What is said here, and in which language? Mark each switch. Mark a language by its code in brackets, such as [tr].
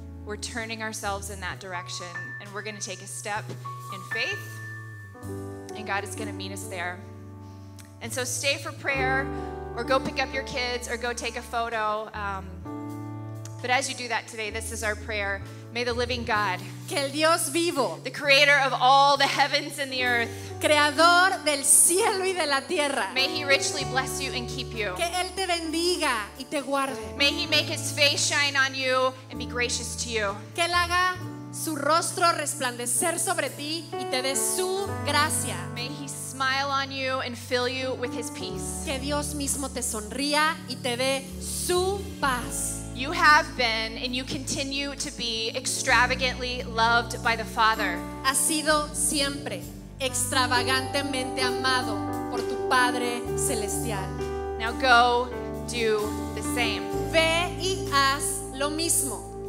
[en] We're turning ourselves in that direction, and we're going to take a step in faith, and God is going to meet us there. And so stay for prayer, or go pick up your kids, or go take a photo. But as you do that today, this is our prayer. May the living God, [es] que el Dios vivo, [en] the creator of all the heavens and the earth, [es] creador del cielo y de la tierra, [en] may he richly bless you and keep you. [es] Que él te bendiga y te guarde. [en] May he make his face shine on you and be gracious to you. [es] Que él haga su rostro resplandecer sobre ti y te dé su gracia. [en] May he smile on you and fill you with his peace. [es] Que Dios mismo te sonría y te dé su paz. [en] You have been and you continue to be extravagantly loved by the Father. [es] Has sido siempre extravagantemente amado por tu Padre celestial. [en] Now go do the same. [es] Ve y haz lo mismo.